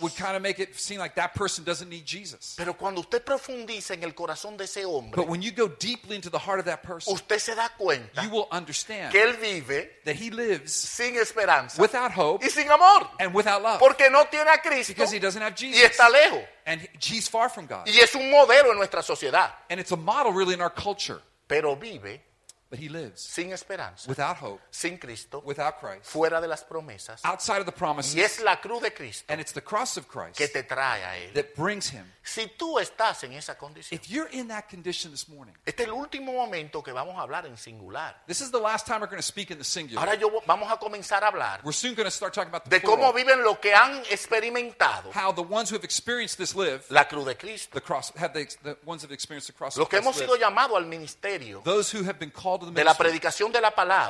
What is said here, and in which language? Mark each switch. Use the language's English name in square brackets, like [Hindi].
[English] Would kind of make it seem like that person doesn't need Jesus. [Spanish] Pero cuando usted profundiza en el corazón de ese hombre, [English] but when you go deeply into the heart of that person, [Spanish] usted se da cuenta, [English] you will understand [Spanish] que él vive, [English] that he lives, [Spanish] sin esperanza, [English] without hope, [Spanish] y sin amor, [English] and without love, [Spanish] porque no tiene a Cristo, [English] because he doesn't have Jesus, [Spanish] y está lejos, [English] and he's far from God, [Spanish] y es un modelo en nuestra sociedad, [English] and it's a model really in our culture, [Spanish] pero vive. [English] But he lives [Spanish] sin esperanza, [English] without hope, [Spanish] sin Cristo, [English] without Christ, [Spanish] fuera de las promesas, [English] outside of the promises. [Spanish] Y es la cruz de Cristo, [English] and it's the cross of Christ [Spanish] que te trae a él, [English] that brings him. [Spanish] Si tú estás en esa condición, [English] if you're in that condition this morning, [Spanish] este es el último momento que vamos a hablar en singular. [English] This is the last time we're going to speak in the singular. [Spanish] Ahora vamos a comenzar a hablar, [English] we're soon going to start talking about the [Spanish] de [English] plural, [Spanish] cómo viven lo que han experimentado, [English] how the ones who have experienced this live, [Spanish] la cruz de Cristo, [English] the cross, have the ones who have experienced the cross [Spanish] lo [English] of Christ [Spanish] que hemos sido llamado al ministerio, [English] those who have been called called to the ministry, [Spanish] de la predicación de la palabra,